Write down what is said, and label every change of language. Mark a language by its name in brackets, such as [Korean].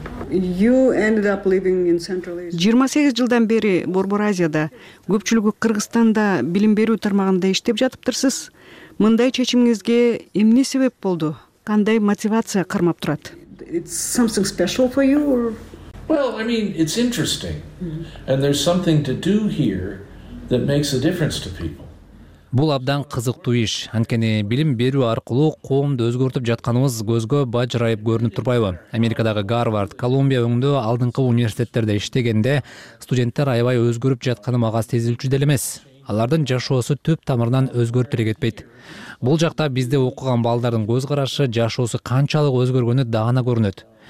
[English] You ended up living in Central Asia. [Kyrgyz] 28 жылдан бери Борбор Азияда, көпчүлүгү Кыргызстанда билим берүү тармагында иштеп жатыптырсыз. Мындай чечимиңизге эмне себеп болду? Кандай мотивация кармап турат? [English] It's something special for you or? Well, I mean, it's interesting. And there's something to do here that makes a difference to people. [Kyrgyz] Бул абдан кызыктуу иш. Анткени билим берүү аркылуу коомду өзгөртүп жатканыбыз көзгө бажырайып көрүнүп турбайбы? Америкадагы Гарвард, Колумбия өңдөө алдыңкы университеттерде иштегенде студенттер аябай өзгөрүп жатканы мага сезилчү деле эмес. Алардын жашоосу түп тамырынан өзгөртүлө кетпейт. Бул жакта бизде окуган балдардын көз карашы, жашоосу канчалык өзгөргөнү даана көрүнөт.